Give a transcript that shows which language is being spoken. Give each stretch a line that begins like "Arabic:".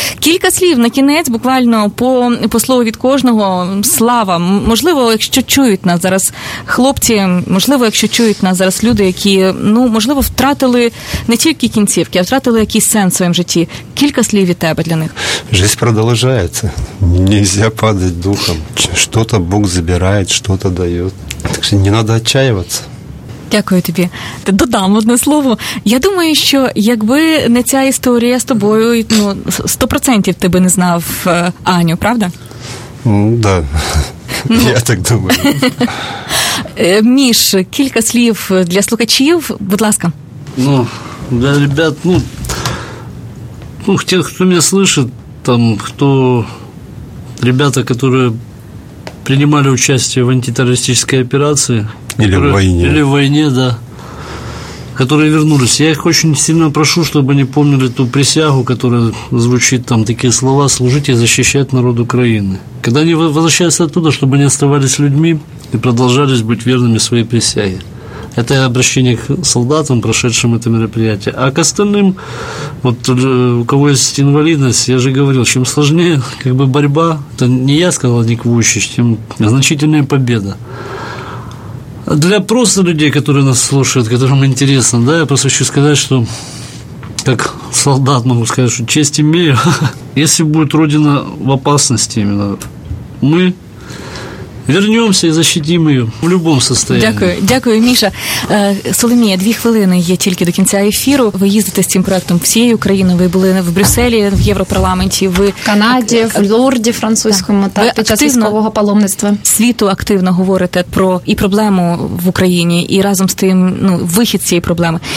Ukrainian: Кілька слів на кінець, буквально по слову від кожного. Слава, можливо, якщо чують нас зараз хлопці, можливо, якщо чують нас зараз люди, які, ну, можливо, втратили не тільки кінцівки, а втратили якийсь сенс в своєму житті. Кілька слів від тебе для них. Життя продовжується.
Russian: Нельзя падать духом. Что-то Бог забирает, что-то дает. Так что не надо отчаиваться.
Ukrainian: Дякую тобі. Додам одне слово. Я думаю, що якби не ця історія з тобою, ну, 100% ти би не знав Аню, правда? Да. Ну, я так думаю. Міш, кілька слів для слухачів, будь ласка. Ну, для ребят, ну, тих, хто мене слышить, там, хто...
Russian: Ребята, которые принимали участие в антитеррористической операции. Или которые, в войне. Или в войне, да. Которые вернулись. Я их очень сильно прошу, чтобы они помнили ту присягу, которая звучит там, такие слова: служить и защищать народ Украины. Когда они возвращаются оттуда, чтобы они оставались людьми и продолжали быть верными своей присяге. Это обращение к солдатам, прошедшим это мероприятие. А к остальным, вот у кого есть инвалидность, я же говорил, чем сложнее как бы борьба, это не я сказал, не Квущич, тем значительнее победа. Для просто людей, которые нас слушают, которым интересно, да, я просто хочу сказать, что как солдат могу сказать, что честь имею. Если будет Родина в опасности именно, мы... Вернемся і защитимо її в любом состоянии.
Ukrainian: Дякую, дякую, Міша. Соломія, 2 хвилини є тільки до кінця ефіру. Ви їздите з цим проектом всією Україною. Ви були в Брюсселі, в Європарламенті, ви в Канаді, в Лорді французькому, так, та під час військового паломництва. Світу активно говорите про і проблему в Україні, і разом з тим, ну, вихід цієї проблеми.